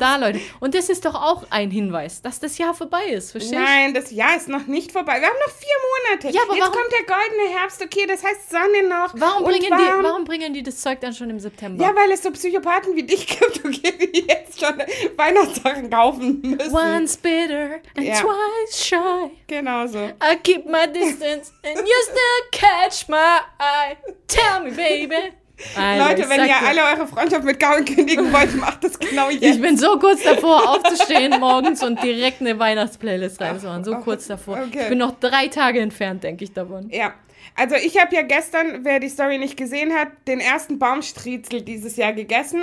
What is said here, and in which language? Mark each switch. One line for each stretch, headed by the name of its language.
German: Da, Leute. Und das ist doch auch ein Hinweis, dass das Jahr vorbei vorbei ist, verstehst du? Nein, das Jahr ist noch nicht vorbei. Wir haben noch 4 Monate. Ja, aber jetzt warum? Kommt der goldene Herbst, okay, das heißt Sonne noch. Warum bringen die das Zeug dann schon im September? Ja, weil es so Psychopathen wie dich gibt, okay, die jetzt schon Weihnachtssachen kaufen müssen.
English: Once bitter and twice shy.
German: Genau so.
English: I keep my distance and you still catch my eye. Tell me, baby.
German: Alter, Leute, wenn ihr alle eure Freundschaft mit Gavin kündigen wollt, macht das genau jetzt. Ich bin so kurz davor, aufzustehen morgens und direkt eine Weihnachtsplaylist reinzuhauen. So kurz davor. Okay. Ich bin noch 3 Tage entfernt, denke ich davon. Ja, also ich habe ja gestern, wer die Story nicht gesehen hat, den ersten Baumstriezel dieses Jahr gegessen.